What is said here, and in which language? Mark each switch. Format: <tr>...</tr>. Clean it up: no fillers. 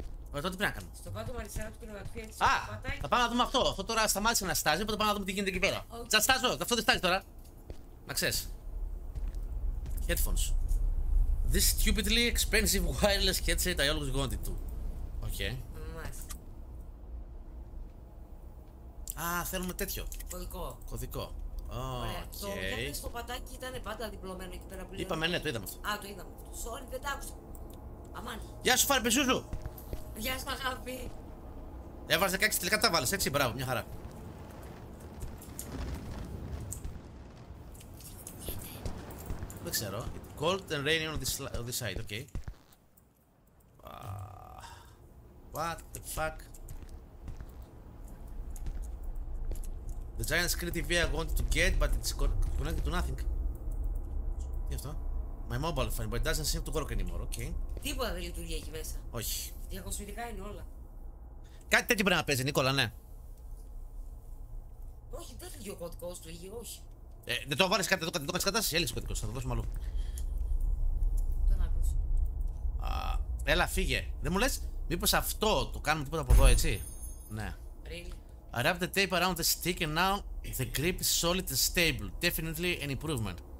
<el>Ωραία, τότε τι πρέπει να κάνουμε. Στο πάτωμα αριστερά του κρεβατιού, έτσι. Α! Πατάει. Θα πάμε να δούμε αυτό. Αυτό τώρα σταμάτησε να στάζει, οπότε πάμε να δούμε τι γίνεται εκεί πέρα. Okay. Τσαστάζω, αυτό δεν στάζει τώρα. Να ξέρει. Headphones.</el> <en>This stupidly expensive wireless headset I always wanted to.</en> <el>Οκ. Μάλιστα. Α, θέλουμε τέτοιο. Κωδικό. Κωδικό. Ωραία, okay. Το πατάκι ήταν πάντα διπλωμένο εκεί πέρα πλέον. Είπαμε, ναι, το είδαμε αυτό. Α, το είδαμε. Sorry, δεν τ' άκουσα. Αμάν. Γεια σου, φάρε πεζούζου. Γεια σου, αγάπη. Έβαλες 16, τελικά τα βάλες, έτσι, μπράβο, μια χαρά. Δεν ξέρω.</el> <en>It's cold and rainy on this side, okay. What the fuck. The giant screen TV I wanted to get, but it's connected to nothing.</en> <el>Τι αυτό?</el> <en>My mobile phone, but it doesn't seem to work anymore, okay.</en> <el>Τίποτα δεν λειτουργεί εκεί μέσα. Όχι. Διακοσμητικά είναι όλα. Κάτι τέτοιο πρέπει να παίζει, Νίκολα, ναι. Όχι, δεν λειτουργεί ο κωδικός του, είχε, όχι. Δεν το βάλεις κάτι εδώ, δεν το κάνεις κατάσταση, έλεγες ο κωδικός, θα το δώσουμε αλλού. Δεν άκουσε. Έλα, φύγε. Δεν μου λες, μήπως αυτό το κάνουμε τίποτα από εδώ, έτσι. Ναι.</el> <en>Really? I wrapped the tape around the stick and now the grip is solid and stable. Definitely an improvement.</en>